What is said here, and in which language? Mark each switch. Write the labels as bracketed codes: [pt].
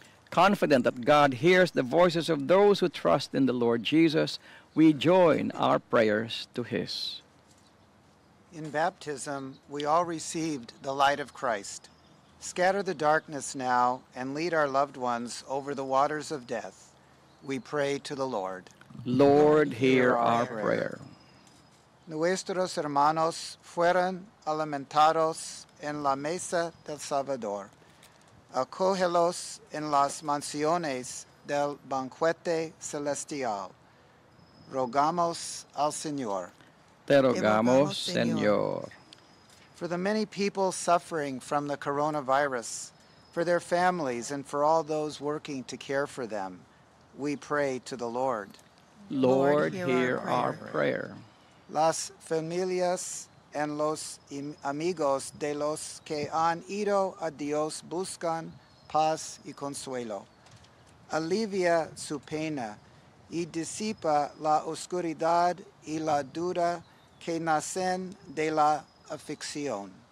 [en] Confident that God hears the voices of those who trust in the Lord Jesus, we join our prayers to His. In baptism, we all received the light of Christ. Scatter the darkness now and lead our loved ones over the waters of death. We pray to the Lord. Lord, hear our prayer. [es] Nuestros hermanos fueron alimentados en la mesa del Salvador. Acógelos en las mansiones del banquete celestial. Rogamos al Señor. Te rogamos, Señor. [en] For the many people suffering from the coronavirus, for their families, and for all those working to care for them, we pray to the Lord. Lord, hear our prayer. [es] Las familias y los amigos de los que han ido a Dios buscan paz y consuelo. Alivia su pena y disipa la oscuridad y la duda que nacen de la aflicción.